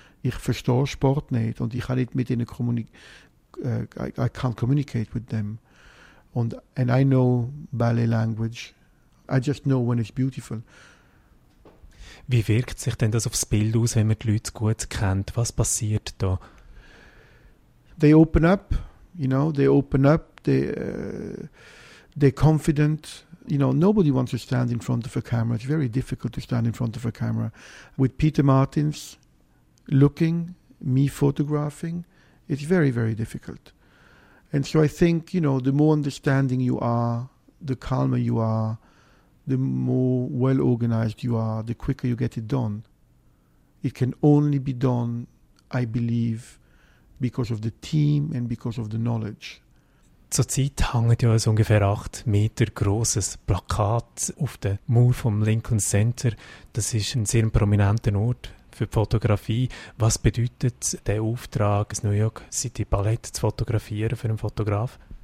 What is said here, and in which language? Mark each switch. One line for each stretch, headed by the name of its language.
German: Ich verstehe Sport nicht und ich kann nicht mit ihnen
English: I can't communicate with them. And I know ballet language. I just know when it's beautiful.
German: Wie wirkt sich denn das aufs Bild aus, wenn man die Leute gut kennt? Was passiert da?
English: They open up, you know, they open up, they're confident. You know, nobody wants to stand in front of a camera. It's very difficult to stand in front of a camera. With Peter Martins looking, me photographing, it's very, very difficult. And so I think, you know, the more understanding you are, the calmer you are, the more well-organized you are, the quicker you get it done. It can only be done, I believe, because of the team and because of the knowledge.
German: Zurzeit hängt ja ein ungefähr 8 Meter grosses Plakat auf der Mauer vom Lincoln Center. Das ist ein sehr prominenter Ort für die Fotografie. Was bedeutet der Auftrag, das New York City Ballet zu fotografieren für einen Fotograf?